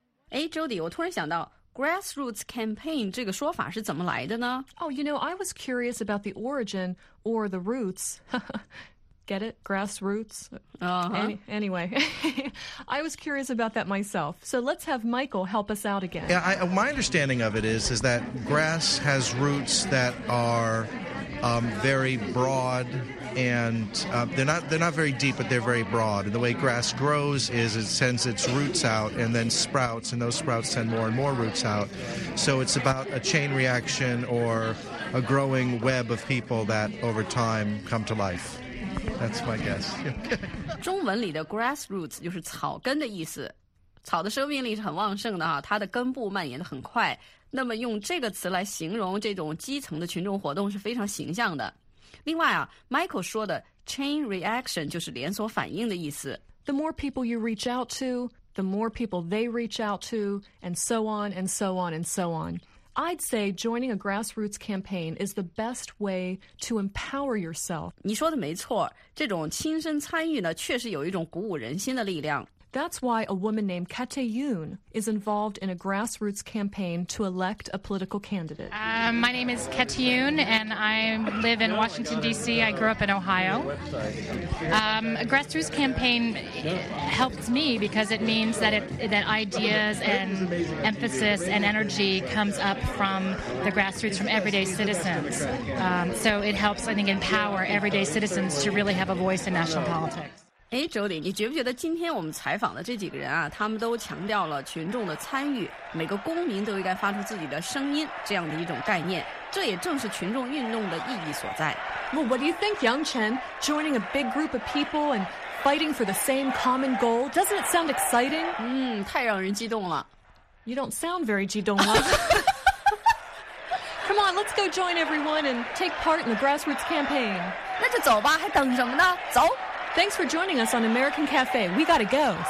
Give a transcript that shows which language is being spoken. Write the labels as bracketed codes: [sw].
[zh] Hey, Jody, 我突然想到 grassroots campaign 这个说法是怎么来的呢 [en] ？Oh, you know, I was curious about the origin or the roots. Get it? Grassroots? Anyway, I was curious about that myself. So let's have Michael help us out again. Yeah, my understanding of it is that grass has roots that are very broad and they're not very deep, but they're very broad. And the way grass grows is it sends its roots out and then sprouts, and those sprouts send more and more roots out. So it's about a chain reaction or a growing web of people that over time come to life. That's my guess. [zh] 中文里的 grassroots 就是草根的意思，草的生命力是很旺盛的哈，它的根部蔓延的很快。那么用这个词来形容这种基层的群众活动是非常形象的。另外啊 ，Michael 说的 chain reaction 就是连锁反应的意思。 [en] The more people you reach out to, the more people they reach out to, and so on and so on and so on. I'd say joining a grassroots campaign is the best way to empower yourself. [zh] 你说的没错，这种亲身参与呢，确实有一种鼓舞人心的力量。 [en] That's why a woman named Kate Yoon is involved in a grassroots campaign to elect a political candidate. My name is Kate Yoon, and I live in Washington, D.C. I grew up in Ohio. A grassroots campaign helped me because it means that, that ideas and emphasis and energy comes up from the grassroots, from everyday citizens. So it helps, I think, empower everyday citizens to really have a voice in national politics. [zh] 哎 ，Jody， 你觉不觉得今天我们采访的这几个人啊，他们都强调了群众的参与，每个公民都应该发出自己的声音这样的一种概念，这也正是群众运动的意义所在。 [en] Well, what do you think, Yang Chen? Joining a big group of people and fighting for the same common goal, doesn't it sound exciting? [zh] 嗯，太让人激动了。 [en] You don't sound very [zh] 激动了。 [en] Come on, let's go join everyone and take part in the grassroots campaign. [zh] 那就走吧，还等什么呢？走。 [en] Thanks for joining us on American Cafe. We gotta go. See